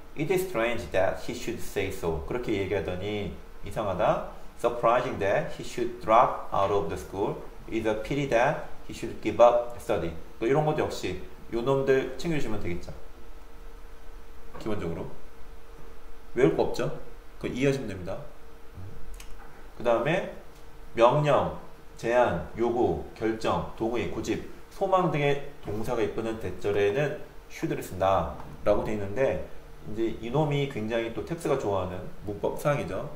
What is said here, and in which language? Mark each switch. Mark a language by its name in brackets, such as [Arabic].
[English] It is strange that he should say so. [Korean] 그렇게 얘기하더니 이상하다. [English] Surprising that he should drop out of the school. It is a pity that he should give up study. [Korean] 이런 것도 역시 요 놈들 챙겨주시면 되겠죠. 기본적으로 외울 거 없죠? 그거 이해하시면 됩니다. 그 다음에 명령 제안, 요구, 결정, 동의, 고집, 소망 등의 동사가 이끄는 대절에는 should를 쓴다 라고 되어 있는데, 이제 이놈이 굉장히 또 텍스가 좋아하는 문법 사항이죠.